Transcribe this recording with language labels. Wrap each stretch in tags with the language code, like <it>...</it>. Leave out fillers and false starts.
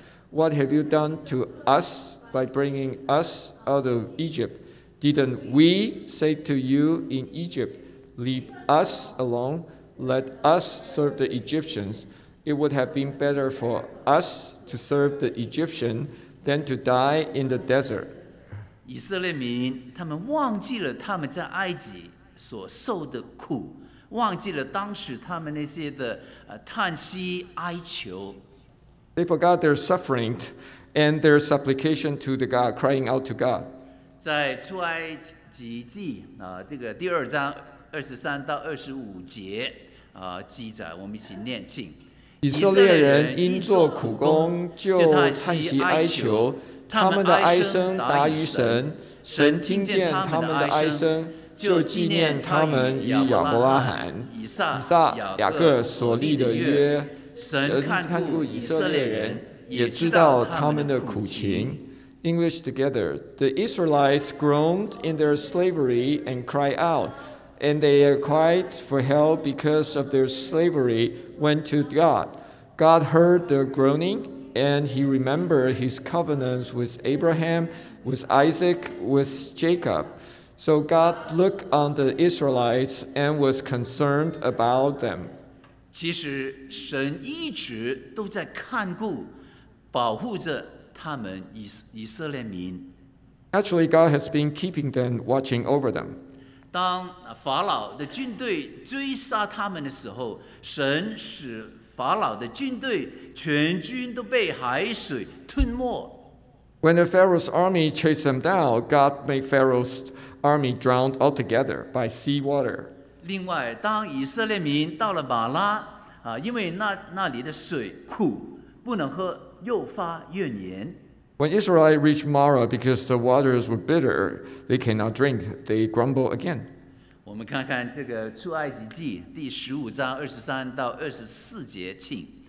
<en>What have you done to us by bringing us out of Egypt? Didn't we say to you in Egypt, 'Leave us alone, let us serve the Egyptians'? It would have been better for us to serve the Egyptian than to die in the desert."</en> <zh>以色列民，他们忘记了他们在埃及所受的苦，忘记了当时他们那些的叹息哀求。</zh> <en>They forgot their suffering and their supplication to the God, crying out to God.</en> <zh>在出埃及记这个第二章23-25记载，我们一起念经。以色列人因做苦工，就叹息哀求，他们的哀声达于神，神听见他们的哀声，就纪念他们与亚伯拉罕、以撒、雅各所立的约。神看顾以色列人，也知道他们的苦情。</zh> <en>English together, the Israelites groaned in their slavery and cried out. And they cried for help because of their slavery, went to God. God heard their groaning, and he remembered his covenants with Abraham, with Isaac, with Jacob. So God looked on the Israelites and was concerned about them.</en> <zh>其实神一直都在看顾，保护着他们以色列民。</zh> <en>Actually, God has been keeping them, watching over them.</en> <zh>当法老的军队追杀他们的时候，神使法老的军队全军都被海水吞没。</zh> <en>When the Pharaoh's army chased them down, God made Pharaoh's army drowned altogether by sea water.</en> <zh>另外，当以色列民到了马拉，因为那里的水苦，不能喝，又发怨言。</zh> <en>When Israelites reached Mara because the waters were bitter, they cannot drink. They grumble again.</en> <zh>我们看看这个出埃及记第十五章23-24，请。</zh>